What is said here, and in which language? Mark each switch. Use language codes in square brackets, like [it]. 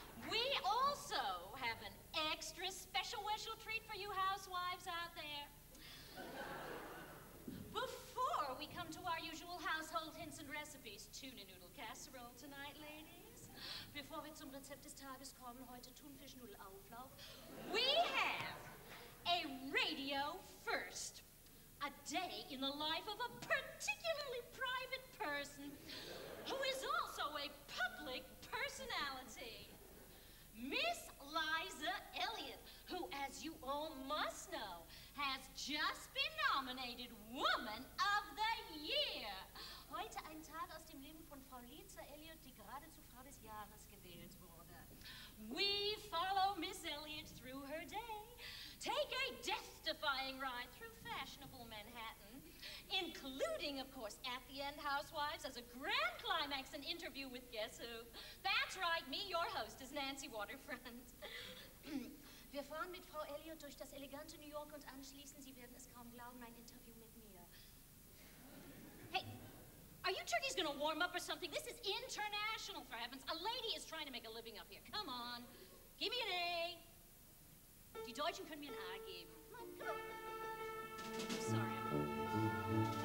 [en] We also have an extra special treat for you housewives out there. Before we come to our usual household hints and recipes, tuna noodle casserole tonight, ladies. [de] Before wir zum Rezept des Tages kommen, heute Thunfischnudelauflauf, [en] we have a radio first. A day in the life of a particularly private person who is also a public personality. Miss Liza Elliott, who, as you all must know, has just been nominated Woman of the Year. [de] Heute ein Tag aus dem Leben von Frau Liza Elliott, die gerade zu Frau des Jahres gewählt wurde. [en] We follow Miss Elliott through her day, take a death-defying ride through fashionable Manhattan, including, of course, at the end, Housewives, as a grand climax, an interview with guess who? That's right, me, your host, is Nancy Waterfront. [de] Wir fahren mit Frau Elliott durch das elegante New York und anschließend, Sie werden es kaum glauben, ein Interview mit mir. [en] Hey, are you turkeys gonna warm up or something? This is international, for heavens. A lady is trying to make a living up here. Come on, give me an A. [de] Die Deutschen können mir ein A geben. [en] Sorry.